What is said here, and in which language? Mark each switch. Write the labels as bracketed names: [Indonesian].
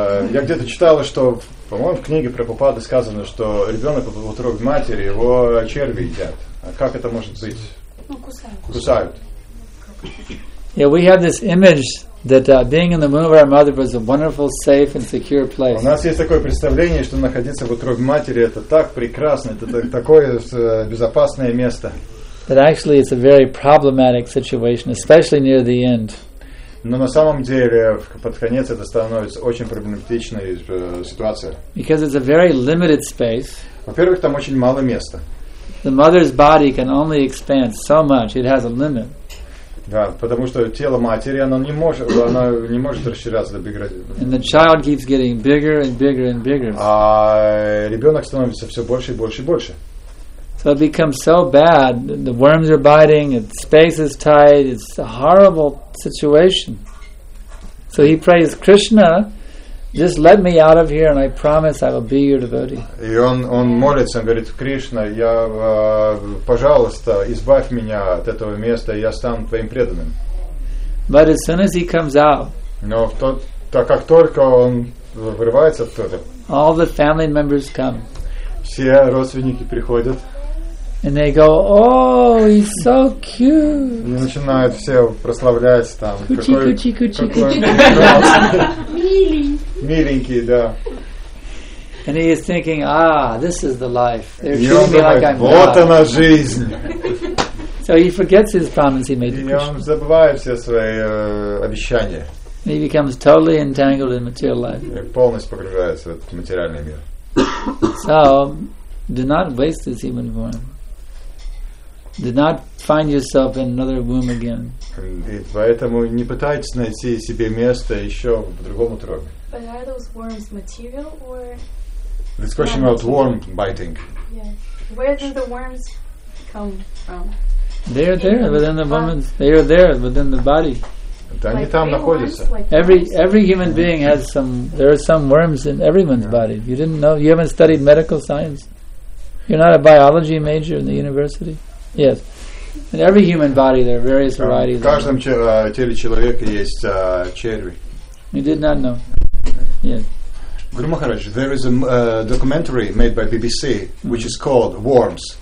[Russian] Я где-то читал, что, по-моему, в книге Прабхупады сказано, что ребенок в утробе матери его черви едят. А как это может быть? Ну, кусают. [English] Yeah, we have this image that being in the womb of our mother was a wonderful, safe and secure place. [Russian] У нас есть такое представление, что находиться в утробе матери это так прекрасно, это такое безопасное место. [English] But actually it's a very problematic situation, especially near the end. [Russian] Но на самом деле, под конец это становится очень проблематичной ситуацией. [English] Because it's a very limited space. [Russian] Во-первых, там очень мало места. [English] The mother's body can only expand so much, it has a limit. [Russian] Да, потому что тело матери, оно не может расширяться до бигради. [English] And the child keeps getting bigger and bigger and bigger. [Russian] А ребенок становится все больше и больше и больше. [English] So it becomes so bad, the worms are biting, the space is tight, it's a horrible situation. So he prays, Krishna, just let me out of here and I promise I will be your devotee. [Russian] И он молится, он говорит, Кришна, я, пожалуйста, избавь меня от этого места, и я стану твоим преданным. [English] But as soon as he comes out, [Russian] но в тот, так как только он вырывается оттуда, [English] all the family members come. [Russian] Все родственники приходят. [English] And they go, oh, he's so cute. [Russian] И начинают все прославлять там. Кучи-кучи-кучи-кучи. Миленький, да. [English] And he is thinking, ah, this is the life. [Russian] И он думает, вот она жизнь. [English] So he forgets his promise he made to Krishna. [Russian] И он забывает все свои обещания. [English] He becomes totally entangled in material life. [Russian] И полностью погружается в этот материальный мир. [English] So, do not waste this human form. Do not find yourself in another womb again. [Russian] И поэтому не пытайтесь найти себе место еще в другом утробе. [English] But are those worms material or? This question about worm biting. Yeah. Where do the worms come from? They are there within the woman's. They are there within the body. [Russian] Они там находятся. [English] Every human being has some. There are some worms in everyone's body. You didn't know. You haven't studied medical science. You're not a biology major in the university. Yes. In every human body there are various varieties. [Russian] В каждом теле человека есть черви. [English] You did not know. Yes. Guru Maharaj, there is a documentary made by BBC which is called Worms.